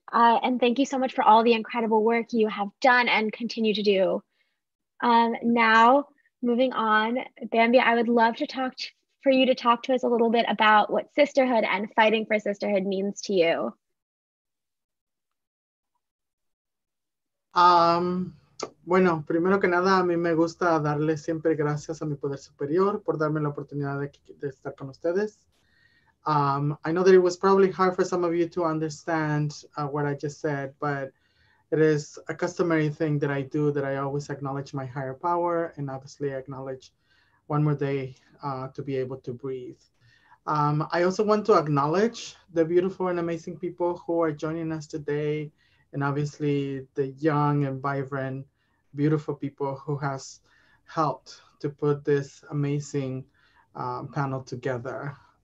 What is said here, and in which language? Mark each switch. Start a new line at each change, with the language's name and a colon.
English: And thank you so much for all the incredible work you have done and continue to do. Now, moving on, Bamby, I would love to talk for you to talk to us a little bit about what sisterhood and fighting for sisterhood means to you.
Spanish: Bueno, primero que nada, a mí me gusta darle siempre gracias a mi poder superior por darme la oportunidad de estar con ustedes.
English: I know that it was probably hard for some of you to understand what I just said, but it is a customary thing that I do, that I always acknowledge my higher power and obviously acknowledge one more day to be able to breathe. I also want to acknowledge the beautiful and amazing people who are joining us today, and obviously the young and vibrant, beautiful people who has helped to put this amazing panel together.